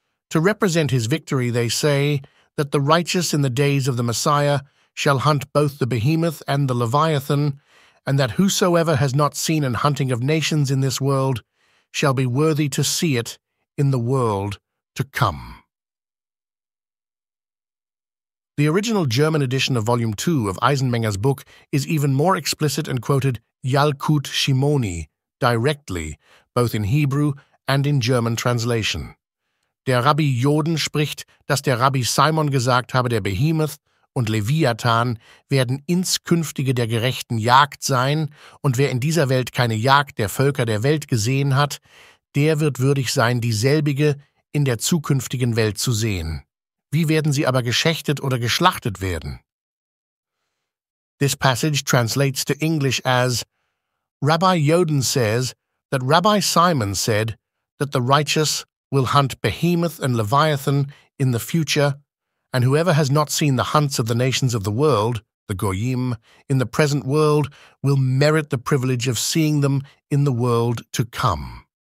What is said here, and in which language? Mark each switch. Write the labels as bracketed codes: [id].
[en] To represent his victory, they say that the righteous in the days of the Messiah shall hunt both the behemoth and the leviathan, and that whosoever has not seen an hunting of nations in this world shall be worthy to see it in the world to come. The original German edition of Volume 2 of Eisenmenger's book is even more explicit and quoted Yalkut Shimoni directly, both in Hebrew and in German translation. [de] Der Rabbi Joden spricht, dass der Rabbi Simon gesagt habe, der Behemoth und Leviathan werden inskünftige der gerechten Jagd sein, und wer in dieser Welt keine Jagd der Völker der Welt gesehen hat, der wird würdig sein, dieselbige in der zukünftigen Welt zu sehen. Wie werden sie aber geschächtet oder geschlachtet werden? [en] This passage translates to English as, Rabbi Yoden says that Rabbi Simon said that the righteous will hunt Behemoth and Leviathan in the future, and whoever has not seen the hunts of the nations of the world, the Goyim, in the present world, will merit the privilege of seeing them in the world to come.